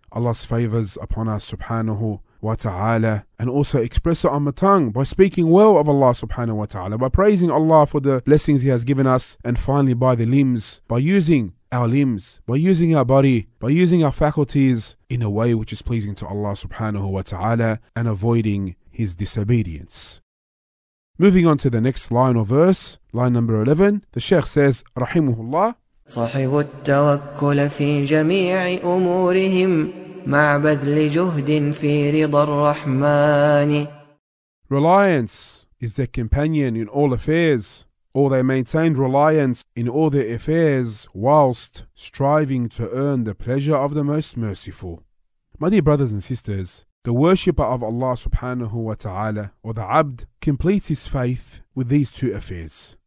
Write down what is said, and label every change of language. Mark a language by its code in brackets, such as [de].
[en] Allah's favors upon us subhanahu wa ta'ala, and also express it on the tongue by speaking well of Allah subhanahu wa ta'ala, by praising Allah for the blessings he has given us, and finally by the limbs, by using our limbs, by using our body, by using our faculties in a way which is pleasing to Allah subhanahu wa ta'ala, and avoiding his disobedience. Moving on to the next line of verse, line number 11, the Sheikh says, Rahimuhullah, [ar] صاحب التوكل في جميع أمورهم مع بذل جهد في رضا الرحمن. [en] Reliance is their companion in all affairs, or they maintained reliance in all their affairs whilst striving to earn the pleasure of the Most Merciful. My dear brothers and sisters, the worshipper of Allah subhanahu wa ta'ala, or the abd, completes his faith with these two affairs.